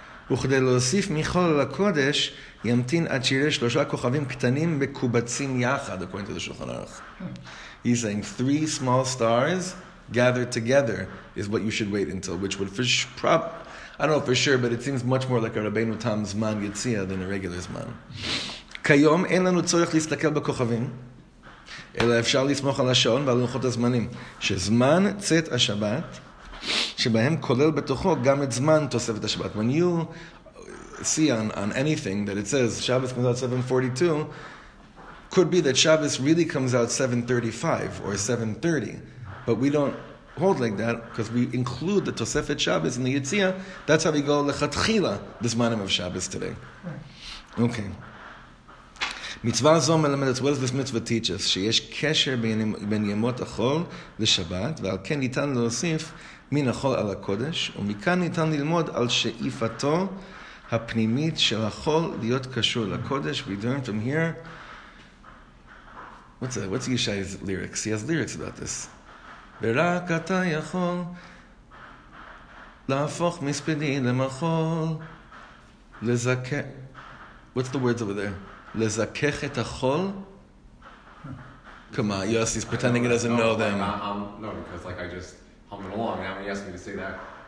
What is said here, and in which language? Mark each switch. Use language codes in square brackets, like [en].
[he] וכדי להוסיף מיכול לקודש ימתין עד שירה שלושה כוכבים קטנים מקובצים יחד [en] according to the Shulchan Aruch. He's saying 3 small stars gathered together is what you should wait until, which would for sure, but it seems much more like a Rabbeinu Tam Zman Yitzia than a regular Zman. [he] כיום אין לנו צורך להסתכל בכוכבים אלא אפשר לסמוך על השעון ועל לוחות הזמנים שזמן צאת השבת שבהם כולל בתוכו גם את זמן תוספת השבת. [en] When you see on anything that it says Shabbos comes out 7:42, could be that Shabbos really comes out 7:35 or 7:30, but we don't hold like that because we include the Tosefet Shabbos in the Yitzia. That's how we go lechatchila the zmanim of Shabbos today. Okay. [he] מצווה זו מלמדת, [en] what does this mitzvah teach us? [he] שיש קשר בין ימות החול לשבת, ועל כן ניתן להוסיף מן החול על הקודש, ומכאן ניתן ללמוד על שאיפתו הפנימית של החול להיות קשור לקודש. [en] We learn from here. What's Yishai's lyrics? He has lyrics about this. [he] ורק אתה יכול להפוך מספדי למחול לזכה. [en] What's the words over there? [he] לזכך את החול? [en] Come on, Yossi is pretending he doesn't know them. No, because like I just humming along now when he asked me to say that.